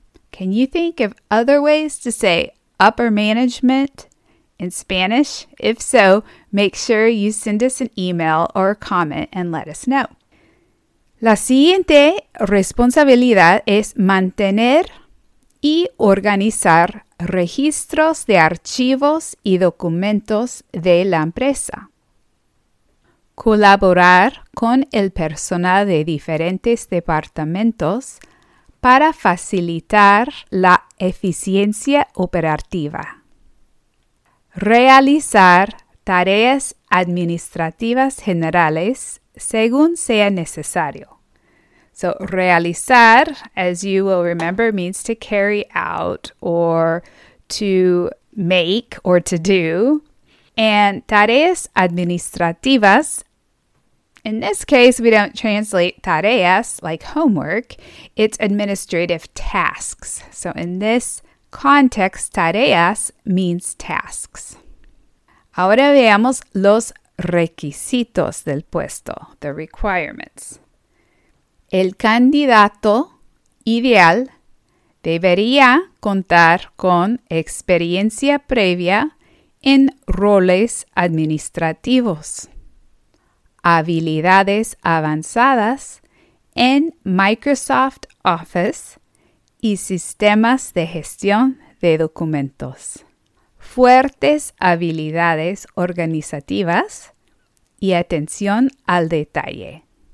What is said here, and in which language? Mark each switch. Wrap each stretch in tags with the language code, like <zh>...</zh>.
<en>Can you think of other ways to say upper management in Spanish? If so, make sure you send us an email or a comment and let us know.</en> <es>La siguiente responsabilidad es mantener y organizar registros de archivos y documentos de la empresa. Colaborar con el personal de diferentes departamentos para facilitar la eficiencia operativa. Realizar tareas administrativas generales según sea necesario.</es> <en>So, realizar, as you will remember, means to carry out or to make or to do. And tareas administrativas, in this case, we don't translate tareas like homework, it's administrative tasks. So, in this context, tareas means tasks.</en> <es>Ahora veamos los requisitos del puesto,</es> <en>the requirements.</en> <es>El candidato ideal debería contar con experiencia previa en roles administrativos, habilidades avanzadas en Microsoft Office y sistemas de gestión de documentos, fuertes habilidades organizativas y atención al detalle.</es>